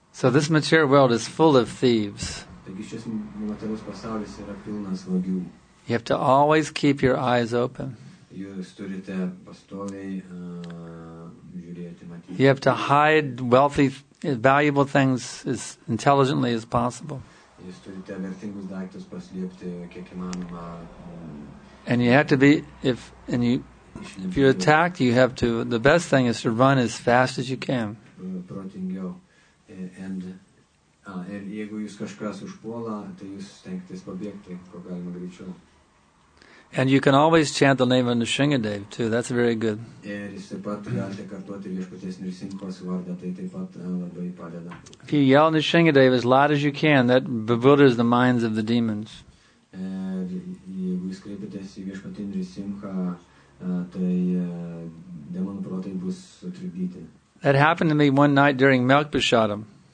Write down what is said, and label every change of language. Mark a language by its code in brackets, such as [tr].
[en] So this material world is full of thieves. [lt] Taigi šis materialus pasaulis yra pilnas vagių. [en] You have to always keep your eyes open. [lt] Jūs turite pastoviai žiūrėti, matyti. [en] You have to hide wealthy, valuable things as intelligently as possible. [lt] Jūs turite vertingus daiktus paslėpti, kiek įmanoma. [en] And you have to be, if you're attacked, you have to, the best thing is to run as fast as you can. [lt] Protingiau. Ir jeigu jūs kažkas užpuola, tai jūs stengtis pabėgti, ko galima greičiau. [en] And you can always chant the name of Nrisimhadeva too. That's very good. If you yell Nrisimhadeva as loud as you can, that bewilders the minds of the demons. That happened to me one night during Melkbishadam.